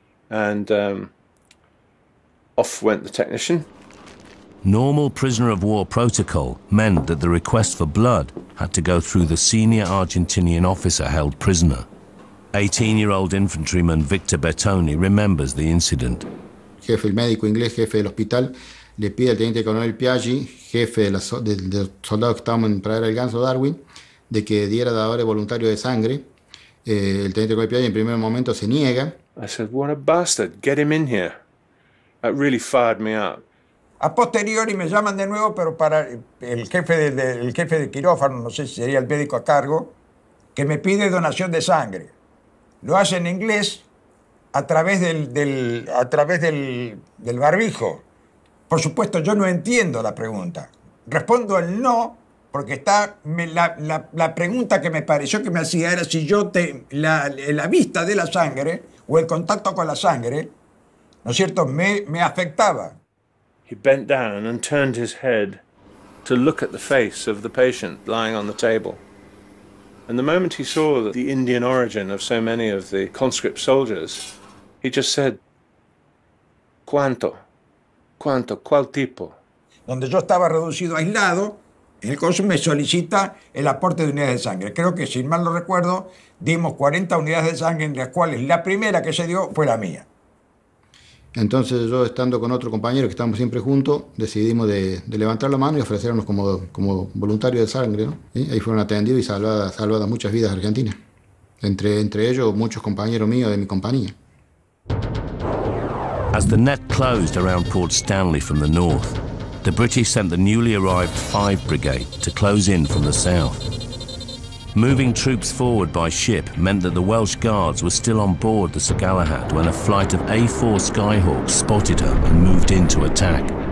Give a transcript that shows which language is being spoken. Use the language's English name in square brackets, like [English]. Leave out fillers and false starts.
[English] And off went the technician. Normal prisoner of war protocol meant that the request for blood had to go through the senior Argentinian officer held prisoner. 18-year-old infantryman Victor Bettoni remembers the incident. [Spanish] Jefe, el médico inglés, jefe del hospital, le pide al teniente coronel Piaggi, jefe de los soldados que estábamos en Pradera del Ganso, Darwin, de que diera dadores voluntarios de sangre. El teniente coronel Piaggi en primer momento se niega. [English] I said, what a bastard, get him in here. That really fired me up. [Spanish] A posteriori me llaman de nuevo, pero para el jefe de quirófano, no sé si sería el médico a cargo, que me pide donación de sangre. Lo hace en inglés a través del barbijo. Por supuesto, yo no entiendo la pregunta. Respondo el no porque está la pregunta que me pareció que me hacía era si yo la vista de la sangre o el contacto con la sangre, ¿no es cierto? Me afectaba. [English] He bent down and turned his head to look at the face of the patient lying on the table. And the moment he saw the Indian origin of so many of the conscript soldiers, he just said, [Spanish] ¿Cuánto? ¿Cuál tipo? Donde yo estaba reducido, aislado, el cónsul me solicita el aporte de unidades de sangre. Creo que, si mal no recuerdo, dimos 40 unidades de sangre, en las cuales la primera que se dio fue la mía. Entonces yo, estando con otro compañero, que estábamos siempre juntos, decidimos de levantar la mano y ofrecernos como voluntario de sangre, ¿no? ¿Sí? Ahí fueron atendidos y salvadas muchas vidas argentinas. Entre ellos, muchos compañeros míos de mi compañía. [English] As the net closed around Port Stanley from the north, the British sent the newly arrived 5 Brigade to close in from the south. Moving troops forward by ship meant that the Welsh Guards were still on board the Sir Galahad when a flight of A4 Skyhawks spotted her and moved in to attack.